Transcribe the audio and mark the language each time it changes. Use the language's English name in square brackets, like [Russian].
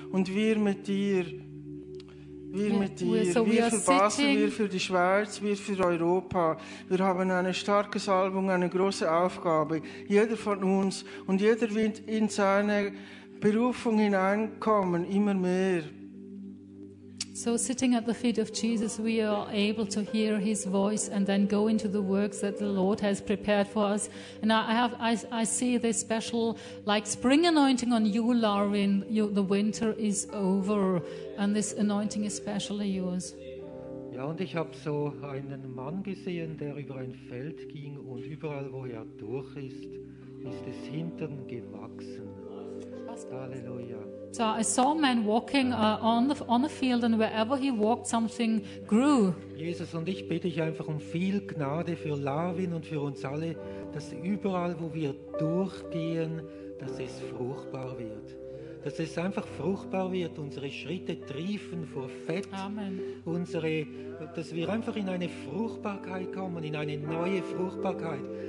[German] Und wir mit dir. Wir mit dir. Wir für Basel, wir für die Schweiz, wir für Europa. Wir haben eine starke Salbung, eine große Aufgabe. Jeder von uns. Und jeder wird in seine Berufung hineinkommen, immer mehr. [English] So sitting at the feet of Jesus, we are able to hear his voice and then go into the works that the Lord has prepared for us. And I see this special, like, spring anointing on you, Larwin. The winter is over, and this anointing is specially yours. [German] Ja, und ich habe so einen Mann gesehen, der über ein Feld ging, und überall, wo er durch ist, ist es hinten gewachsen. Halleluja. [English] So I saw a man walking on the field, and wherever he walked, something grew. [German] Jesus, und ich bitte dich einfach um viel Gnade für Larwin und für uns alle, dass überall, wo wir durchgehen, dass es fruchtbar wird. Dass es einfach fruchtbar wird, unsere Schritte triefen vor Fett. Amen. Dass wir einfach in eine Fruchtbarkeit kommen, in eine neue Fruchtbarkeit.